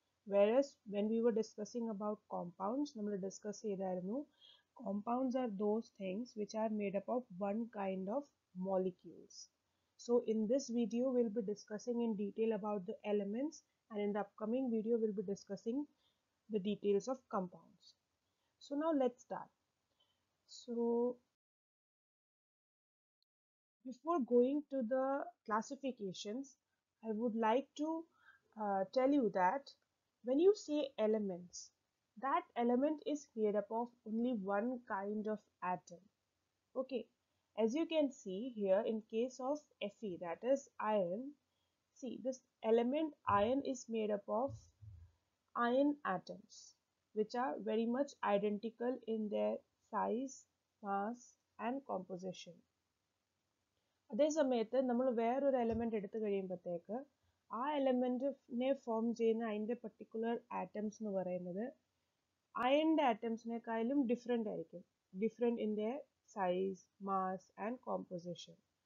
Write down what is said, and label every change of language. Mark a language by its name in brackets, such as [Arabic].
[English] whereas when we were discussing about compounds, [Malayalam] നമ്മൾ discuss ചെയ്തായിരുന്നു [English] Compounds are those things which are made up of one kind of molecules. So in this video will be discussing in detail about the elements and in the upcoming video will be discussing the details of compounds. So now let's start. So before going to the classifications, I would like to tell you that when you say elements, that element is made up of only one kind of atom. Okay, as you can see here, in case of Fe, that is iron, see this element iron is made up of iron atoms, which are very much identical in their size, mass and composition. [Malayalam] അതേ സമയത്ത് നമ്മൾ വേറൊരു element എടുത്തു കഴിയുമ്പോഴത്തേക്ക് ആ എലമെൻറ്റിനെ form ചെയ്യുന്ന അതിൻ്റെ particular atoms എന്ന് പറയുന്നത് അയണിൻ്റെ ആറ്റംസിനേക്കാളും ഡിഫറെൻ്റ് ആയിരിക്കും, [English] Different in the size, mass and composition.